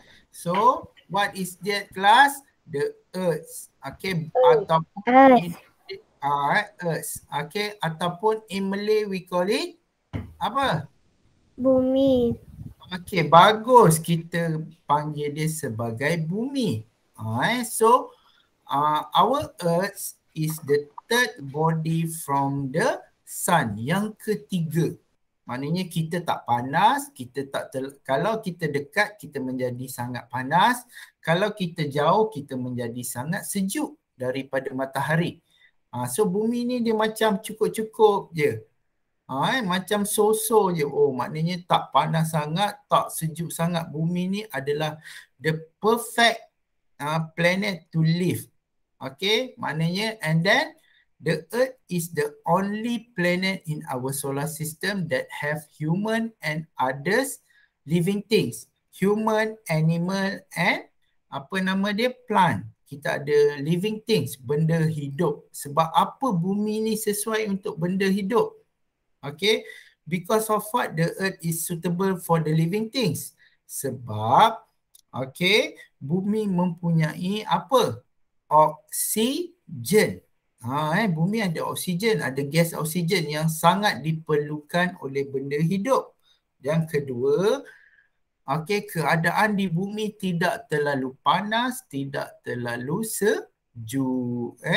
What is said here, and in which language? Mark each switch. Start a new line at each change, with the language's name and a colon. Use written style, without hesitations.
English: So, what is that class? The Earth.
Malay: Okay, ataupun Earth.
English: Okay, ataupun in Malay we call it apa?
Malay: Bumi. Okay, bagus. Kita panggil dia sebagai bumi.
English: So, our Earth is the third body from the sun.
Malay: Yang ketiga. Maknanya kita tak panas, kita tak kalau kita dekat, kita menjadi sangat panas. Kalau kita jauh, kita menjadi sangat sejuk daripada matahari. So bumi ni dia macam cukup-cukup je. Macam so-so je. Oh, maknanya tak panas sangat, tak sejuk sangat. Bumi ni adalah
English: the perfect planet to live. Okay, maknanya and then the Earth is the only planet in our solar system that have human and others living things. Human, animal and
Malay: apa nama dia?
English: Plant.
Malay: Kita ada living things, benda hidup. Sebab apa bumi ni sesuai untuk benda hidup?
English: Okay, because of what the Earth is suitable for the living things.
Malay: Sebab, okay, bumi mempunyai apa? Oksigen. Bumi ada oksigen, ada gas oksigen yang sangat diperlukan oleh benda hidup. Yang kedua, okay, keadaan di bumi tidak terlalu panas, tidak terlalu sejuk.